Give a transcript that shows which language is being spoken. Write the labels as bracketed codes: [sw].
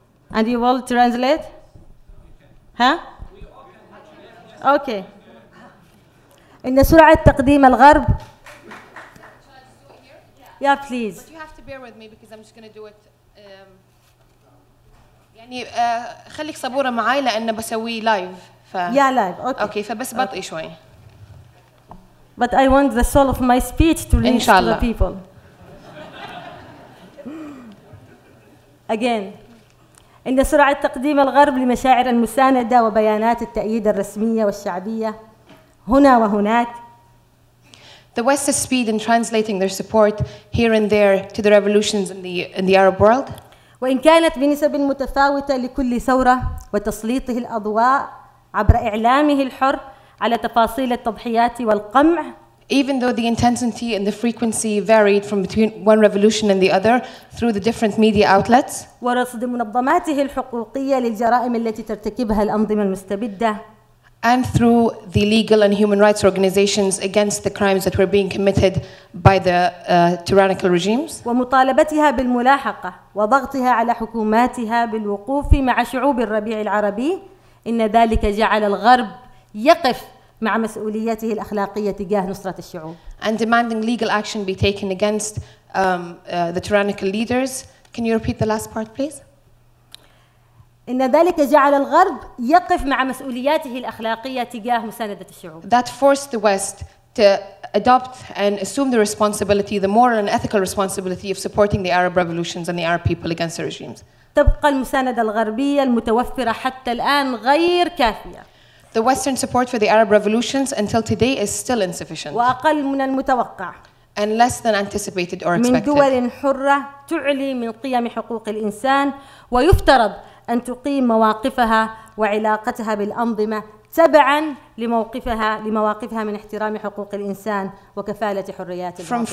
[en] And you will translate? Huh? Okay. In the Surah Al-Taqdeem Al-Gharb. Yeah, please. But you have to bear with me because I'm just going to do it. [ar] يعني خليك صبورة معاي لأن بسوي لايف ف. [en] Yeah, live. Okay. [ar] Okay, فبس بطئ شوي. [en] But I want the soul of my speech to reach to the people. Again. [ar] إن سرعة تقديم الغرب لمشاعر المساندة وبيانات التأييد الرسمية والشعبية هنا وهناك. [en] The West's speed in translating their support here and there to the revolutions in the Arab world. [ar] وإن كانت بنسب متفاوتة لكل ثورة وتسليطه الأضواء عبر إعلامه الحر على تفاصيل التضحيات والقمع. [en] Even though the intensity and the frequency varied from between one revolution and the other through the different media outlets. [ar] ورصد منظماته الحقوقية للجرائم التي ترتكبها الأنظمة المستبدة. [en] And through the legal and human rights organizations against the crimes that were being committed by the tyrannical regimes. [ar] ومطالبتها بالملاحقة وضغطها على حكوماتها بالوقوف مع شعوب الربيع العربي. إن ذلك جعل الغرب يقف مع مسؤوليته الأخلاقية تجاه نصرة الشعوب. [en] And demanding legal action be taken against the tyrannical leaders. Can you repeat the last part, please? [ar] إن ذلك جعل الغرب يقف مع مسؤولياته الأخلاقية تجاه مساندة الشعوب. [en] That forced the West to adopt and assume the responsibility, the moral and ethical responsibility of supporting the Arab revolutions and the Arab people against the regimes. [ar] تبقى المساندة الغربية المتوفرة حتى الآن غير كافية. [en] The Western support for the Arab revolutions until today is still insufficient. [ar] وأقل من المتوقع. [en] And less than anticipated or expected. [ar] من دول حرة تعلي من قيم حقوق الإنسان ويفترض أن تقيم مواقفها وعلاقتها بالأنظمة تبعاً لمواقفها من احترام حقوق الإنسان وكفالة حريات الباطن.